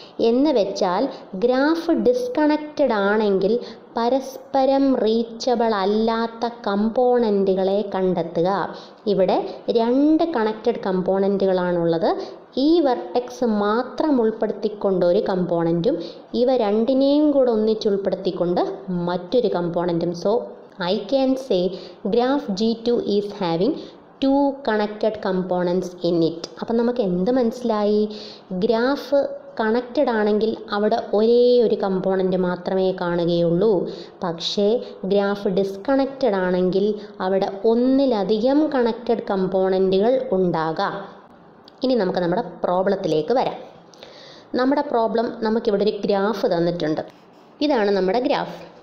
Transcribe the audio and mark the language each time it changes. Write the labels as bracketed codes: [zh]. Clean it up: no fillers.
[ml] എന്ന് വെച്ചാൽ graph disconnected ആണെങ്കിൽ പരസ്പരം റീച്ചബിൾ അല്ലാത്ത കമ്പോണൻറ്റുകളെ കണ്ടെത്തുക. ഇവിടെ രണ്ട് കണക്റ്റഡ് കമ്പോണൻറ്റുകളാണുള്ളത്. ഈ വെർട്ടെക്സ് മാത്രം ഉൾപ്പെടുത്തിക്കൊണ്ടൊരു കമ്പോണൻറ്റും ഇവ രണ്ടിനെയും കൂടെ ഒന്നിച്ചുൾപ്പെടുത്തിക്കൊണ്ട് മറ്റൊരു കമ്പോണൻറ്റും. [en] So I can say graph G2 is having 2 connected components in it. [ml] അപ്പോൾ നമുക്ക് എന്ത് മനസ്സിലായി? ഗ്രാഫ് കണക്റ്റഡ് ആണെങ്കിൽ അവിടെ ഒരേ ഒരു കമ്പോണൻ്റ് മാത്രമേ കാണുകയുള്ളൂ. പക്ഷേ ഗ്രാഫ് ഡിസ്കണക്റ്റഡ് ആണെങ്കിൽ അവിടെ ഒന്നിലധികം കണക്റ്റഡ് കമ്പോണൻറ്റുകൾ ഉണ്ടാകാം. ഇനി നമുക്ക് നമ്മുടെ പ്രോബ്ലത്തിലേക്ക് വരാം. നമ്മുടെ പ്രോബ്ലം, നമുക്കിവിടെ ഒരു ഗ്രാഫ് തന്നിട്ടുണ്ട്. ഇതാണ് നമ്മുടെ ഗ്രാഫ്.